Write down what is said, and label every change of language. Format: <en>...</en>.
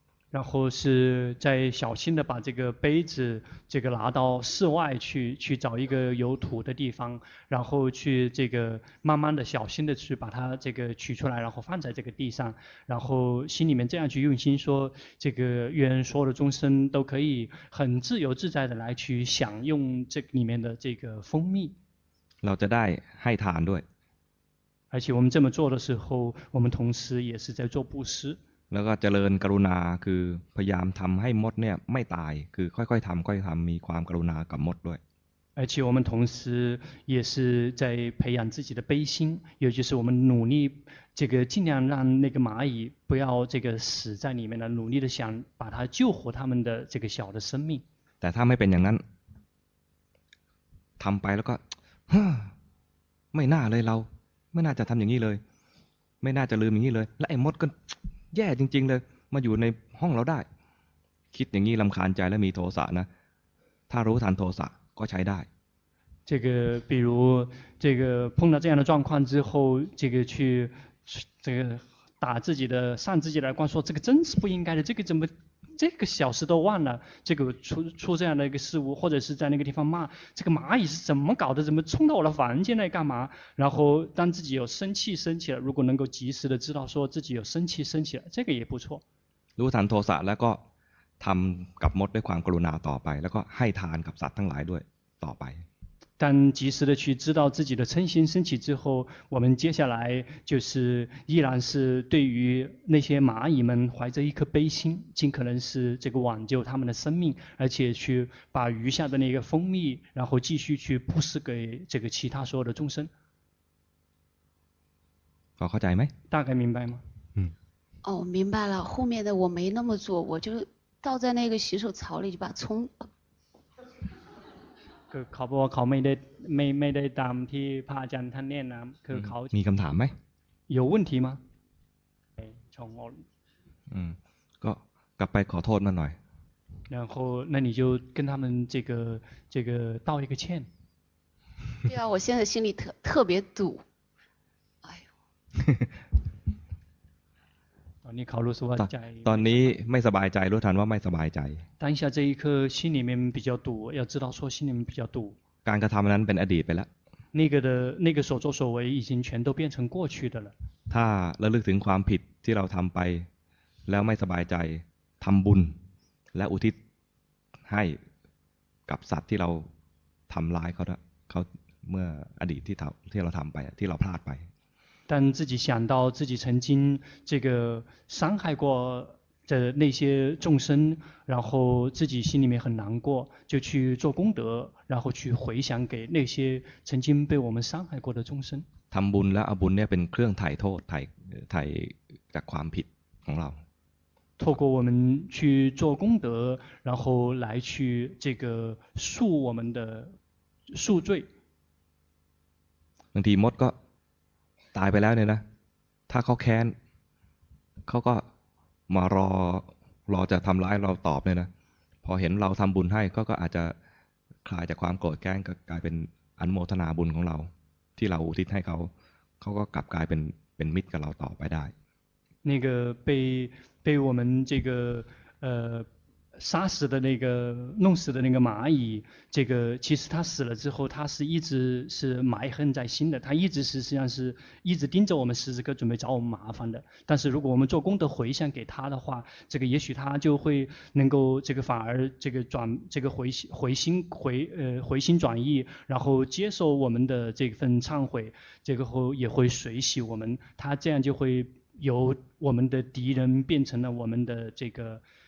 <zh>然后是在小心的把这个杯子这个拿到室外去找一个有土的地方，然后去这个慢慢的小心的去把它这个取出来，然后放在这个地上，然后心里面这样去用心说，这个愿所有的众生都可以很自由自在的来去享用这里面的这个蜂蜜。</zh> <th>เราจะได้ให้ทานด้วย。</th> <zh>而且我们这么做的时候，我们同时也是在做布施。</zh> <th>แล้วก็เจริญกรุณาคือพยายามทำให้มดเนี่ยไม่ตายคือค่อยๆทำค่อยทำมีความกรุณากับมดด้วย</th> <zh>而且我们同时也是在培养自己的悲心，也就是我们努力这个尽量让那个蚂蚁不要这个死在里面了，努力的想把它救活他们的这个小的生命。</zh> <th>แต่ถ้าไม่เป็นอย่างนั้นทำไปแล้วก็ไม่น่าเลยเราไม่น่าจะทำอย่างนี้เลยไม่น่าจะลืมอย่างนี้เลยและไอ้มดก็แย่จริงๆเลยมาอยู่ในห้องเราได้คิดอย่างนี้รำคาญใจและมีโทสะนะถ้ารู้ทันโทสะก็ใช้ได้</th> <zh>这个比如这个碰到这样的状况之后，这个去这个打自己的上自己的耳光，说这个真是不应该的，这个怎么这个小事都忘了，这个出这样的一个事物，或者是在那个地方骂这个蚂蚁是怎么搞的，怎么冲到我的房间来干嘛，然后当自己有生气生起了，如果能够及时的知道说自己有生气生起了，这个也不错。如果谈妥善那个</zh> <th>ทำกับมดด้วยความกรุณาต่อไปแล้วก็ให้ทานกับสัตว์ทั้งหลายด้วยต่อไป</th> <zh>但及时的去知道自己的嗔心升起之后，我们接下来就是依然是对于那些蚂蚁们怀着一颗悲心，尽可能是这个挽救他们的生命，而且去把余下的那个蜂蜜然后继续去布施给这个其他所有的众生。搞好点没大概明白吗？嗯，哦，明白了，后面的我没那么做，我就倒在那个洗手槽里就把葱。</zh> <th>คือเขาบอกว่าเขาไม่ได้ตามที่พระอาจารย์ท่านแนะนำคือเขามีคำถามไหม</th> <zh>有问题吗ชง</zh> <th>อืมก็กลับไปขอโทษมาหน่อย</th> <zh>然后那你就跟他们这个道一个歉对啊我现在心里特别堵哎呦</zh> <th>ตอนนี้ไม่สบายใจรู้ทันว่าไม่สบายใจ</th> <zh>当下这一刻心里面比较堵要知道说心里面比较堵</zh> <th>การกระทำนั้นเป็นอดีตไปแล้ว</th> <zh>那个所作所为已经全都变成过去的了</zh> <th>ถ้าระลึกถึงความผิดที่เราทำไปแล้วไม่สบายใจทำบุญและอุทิศให้กับสัตว์ที่เราทำร้ายเขาเมื่ออดีตที่เราทำไปที่เราพลาดไป</th> <zh>但自己想到自己曾经这个伤害过的那些众生，然后自己心里面很难过，就去做功德，然后去回想给那些曾经被我们伤害过的众生。</zh> <th>ทำบุญและเอาบุญเนี่ยเป็นเครื่องไถ่โทษไถ่จากความผิดของเรา。</th> <zh>透过我们去做功德，然后来去这个赎我们的赎罪。</zh> <th>บางทีมดก็ตายไปแล้วเนี่ยนะถ้าเขาแค้นเขาก็มารอจะทำร้ายเราตอบเนี่ยนะพอเห็นเราทำบุญให้ก็อาจจะคลายจากความโกรธแค้นกลายเป็นอนุโมทนาบุญของเราที่เราอุทิศให้เขาก็กลับกลายเป็นมิตรกับเราต่อไปได้</th> <zh>那个被我们这个杀死的那个弄死的那个蚂蚁，这个其实他死了之后，他是一直是埋恨在心的，他一直是实际上是一直盯着我们十字哥，准备找我们麻烦的。但是如果我们做功德回向给他的话，这个也许他就会能够这个反而这个转这个回心转意，然后接受我们的这份忏悔，这个后也会随喜我们，他这样就会由我们的敌人变成了我们的这个。</zh>